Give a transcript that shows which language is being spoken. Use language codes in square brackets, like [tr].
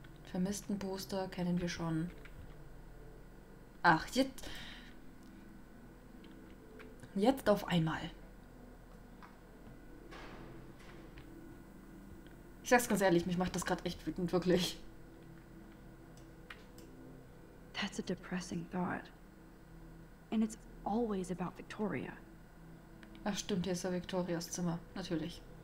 [de] Vermissten Booster kennen wir schon. Ach, jetzt. Jetzt auf einmal. Ich sag's ganz ehrlich, mich macht das gerade echt wütend, wirklich. [en] That's a depressing thought. And it's always about Victoria. [de] Ach stimmt, hier ist ja Victorias Zimmer, natürlich.